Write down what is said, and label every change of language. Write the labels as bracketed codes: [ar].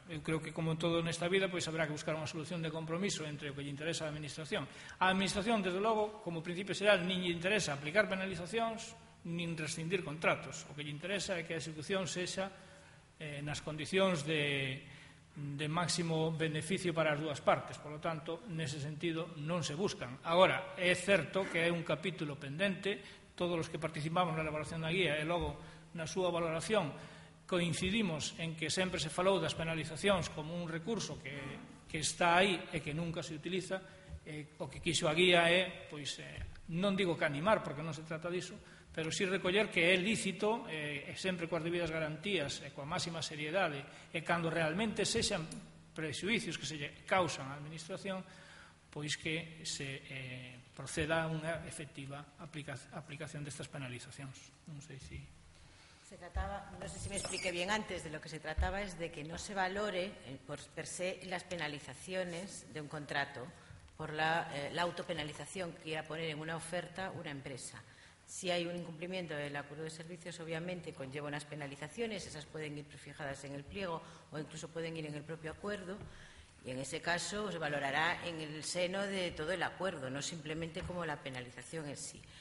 [gl] Eu creo que como todo nesta vida pois habrá que buscar unha solución de compromiso entre o que lle interesa a administración. A administración, desde logo, como principio xeral, nin lle interesa aplicar penalizacións nin rescindir contratos. O que lle interesa é que a execución sexa nas condicións de máximo beneficio para as dúas partes. [es] Por lo tanto, [gl] nese sentido non se buscan. Agora, é certo que é un capítulo pendente. Todos os que participamos na elaboración da guía e logo na súa valoración coincidimos en que sempre se falou das penalizacións como un recurso que está aí e que nunca se utiliza. O que quixo a guía é, pois, non digo que animar, porque non se trata disso, pero sí recoller que é lícito, sempre coas debidas garantías e coa máxima seriedade, e cando realmente sexan prexuicios que se causan á administración, pois que se proceda a unha efectiva aplicación destas penalizacións. Non sei se... [es] Se trataba, [gl] non sei se [es] me expliqué bien antes, de lo que se trataba es de que no se valore per se las penalizaciones de un contrato por la autopenalización que quiera poner en una oferta una empresa. Si hay un incumplimiento del acuerdo de servicios, obviamente conlleva unas penalizaciones, esas pueden ir prefijadas en el pliego o incluso pueden ir en el propio acuerdo, y en ese caso se valorará en el seno de todo el acuerdo, no simplemente como la penalización en sí.